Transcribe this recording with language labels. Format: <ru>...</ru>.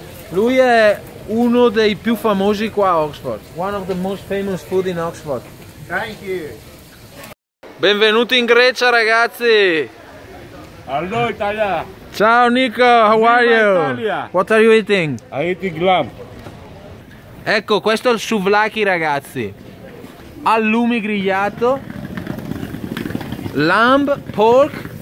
<it>Lui è uno dei più famosi qua a Oxford.</it> <en>One of the most famous food in Oxford. Thank you.</en> <it>Benvenuti in Grecia, ragazzi.</it> <en>Hello, Italia. Ciao, Nico. How are you?</en> <it>Italia.</it> <en>What are you eating? I'm eating lamb.</en> <it>Ecco, questo è il souvlaki, ragazzi. Allumi grigliato.</it> <en>Lamb, pork.</en>